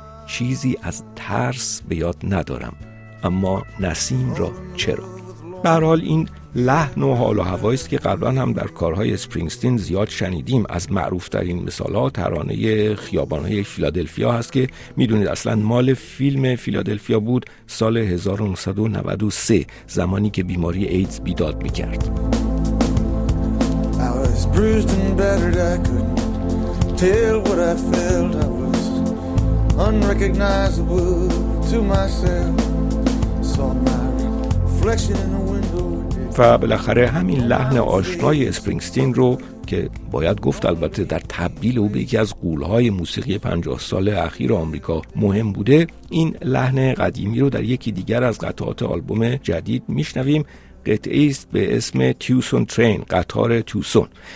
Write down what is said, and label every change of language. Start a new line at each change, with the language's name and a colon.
Persian: چیزی از ترس به یاد ندارم، اما نسیم را چرا؟ به هر حال این لحن و حال و هوایی است که قبلا هم در کارهای اسپرینگستین زیاد شنیدیم. از معروفترین مثالها ترانه خیابانهای فیلادلفیا هست که میدونید اصلا مال فیلم فیلادلفیا بود سال 1993، زمانی که بیماری ایدز بیداد میکرد.
English: Bruised and battered, I couldn't tell what I felt. I was unrecognizable to myself. Saw my reflection in the window.
Persian: و بالاخره همین لحن آشنای اسپرینگستین رو که باید گفت البته در تبدیل او به یکی از غول‌های موسیقی 50 سال اخیر آمریکا مهم بوده، این لحن قدیمی رو در یکی دیگر از قطعات آلبوم جدید میشنویم. قطعه است به اسم تیوسون ترین، قطار تیوسون.